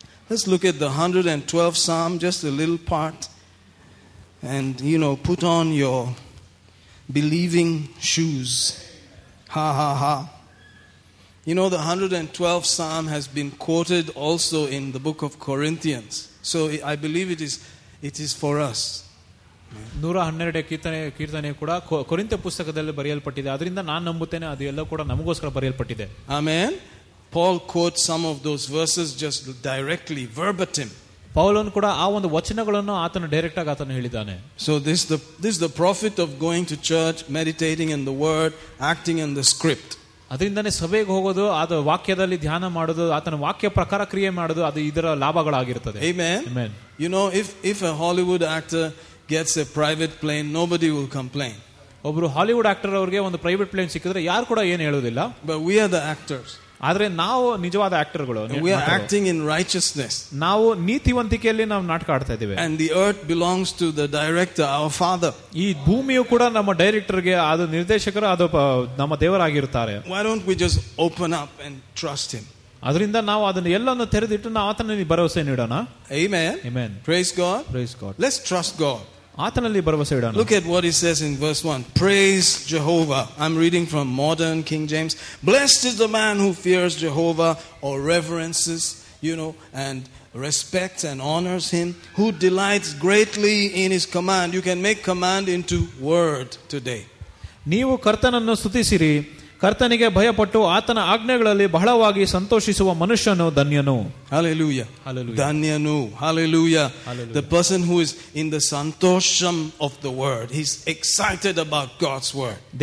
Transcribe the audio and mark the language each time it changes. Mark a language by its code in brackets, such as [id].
[en] Let's look at the 112th Psalm, just a little part. And, you know, put on your believing shoes. Ha, ha, ha. You know, the 112th Psalm has been quoted also in the book of Corinthians. So I believe it is for us. [kn] 112 ಕೀರ್ತನೆ ಕೂಡ ಕೊರಿಂಥ ಪುಸ್ತಕದಲ್ಲಿ ಬರೆಯಲ್ಪಟ್ಟಿದೆ. ಅದರಿಂದ ನಾನು ನಂಬುತ್ತೇನೆ ಅದೆಲ್ಲ ಕೂಡ ನಮಗೋಸ್ಕರ ಬರೆಯಲ್ಪಟ್ಟಿದೆ. ಆಮೇನ್. [en] Paul quote some of those verses just directly verbatim. [kn] ಪೌಲನ್ ಕೂಡ ಆ ಒಂದು ವಚನಗಳನ್ನು ಆತನು ಡೈರೆಕ್ಟ್ ಆಗಿ ಆತನು ಹೇಳಿದ್ದಾನೆ. [en] So this the profit of going to church meditating in the word acting in the script. [kn] ಅದರಿಂದನೇ ಸಭೆಗೆ ಹೋಗೋದು, ಆದ ವಾಕ್ಯದಲ್ಲಿ ಧ್ಯಾನ ಮಾಡೋದು, ಆತನ ವಾಕ್ಯ ಪ್ರಕಾರ ಕ್ರಿಯೆ ಮಾಡೋದು, ಅದು ಇದರ ಲಾಭಗಳಾಗಿರುತ್ತದೆ. [en] Amen. You know, if a Hollywood actor gets a private plane, nobody will complain. [kn] ಒಬ್ರು ಹಾಲಿವುಡ್ ಆಕ್ಟರ್ ಅವರಿಗೆ ಒಂದು ಪ್ರೈವೇಟ್ ಪ್ಲೇನ್ ಸಿಕ್ಕಿದ್ರೆ ಯಾರು ಕೂಡ ಏನು ಹೇಳೋದಿಲ್ಲ. [en] But we are the actors. [kn] ಆದರೆ ನಾವು ನಿಜವಾದ ಆಕ್ಟರ್ಗಳು. [en] We are acting in righteousness. [kn] ನಾವು ನೀತಿವಂತಿಕೆಯಲ್ಲಿ ನಾವು ನಾಟಕ ಆಡ್ತಾ ಇದ್ದೇವೆ. [en] And the earth belongs to the director, our father. [kn] ಈ ಭೂಮಿಯು ಕೂಡ ನಮ್ಮ ಡೈರೆಕ್ಟರ್ಗೆ, ಅದು ನಿರ್ದೇಶಕರು, ಅದು ನಮ್ಮ ದೇವರಾಗಿರುತ್ತಾರೆ. [en] Why don't we just open up and trust him? [kn] ಅದರಿಂದ ನಾವು ಅದನ್ನ ಎಲ್ಲವನ್ನು ತೆರೆದಿಟ್ಟು ನಾವು ಆತನಲ್ಲಿ ಭರವಸೆ ನೀಡೋಣ. [en] Amen. Amen. Praise God. Praise God. Let's trust God. [kn] ಆತನಲ್ಲಿ ಭರವಸೆ ಇಡೋಣ. [en] Look at what he says in verse 1. Praise Jehovah. I'm reading from modern King James. Blessed is the man who fears Jehovah, or reverences, you know, and respects and honors him, who delights greatly in his command. You can make command into word today. [kn] ನೀವು ಕರ್ತನನ್ನು ಸ್ತುತಿಸಿರಿ. ಕರ್ತನಿಗೆ ಭಯಪಟ್ಟು ಆತನ ಆಜ್ಞೆಗಳಲ್ಲಿ ಬಹಳವಾಗಿ ಸಂತೋಷಿಸುವ ಮನುಷ್ಯನು ಧನ್ಯನು. [en] Hallelujah. Hallelujah. [kn] ಧನ್ಯನು. Hallelujah. [en] The person who is in the santosham of the word, he's excited about God's word.